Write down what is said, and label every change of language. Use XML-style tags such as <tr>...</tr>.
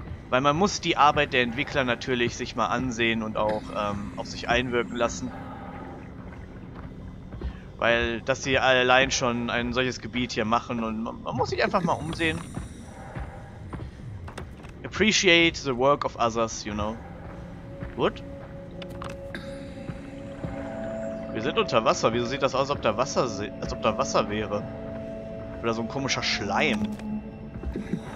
<de>Weil man muss die Arbeit der Entwickler natürlich sich mal ansehen und auch auf sich einwirken lassen. Weil, dass sie allein schon ein solches Gebiet hier machen und man muss sich einfach mal umsehen.</de> <en>Appreciate the work of others, you know.</en> <de>Gut. Wir sind unter Wasser. Wieso sieht das aus, als ob da Wasser wäre? Oder so ein komischer Schleim. Hm.</de>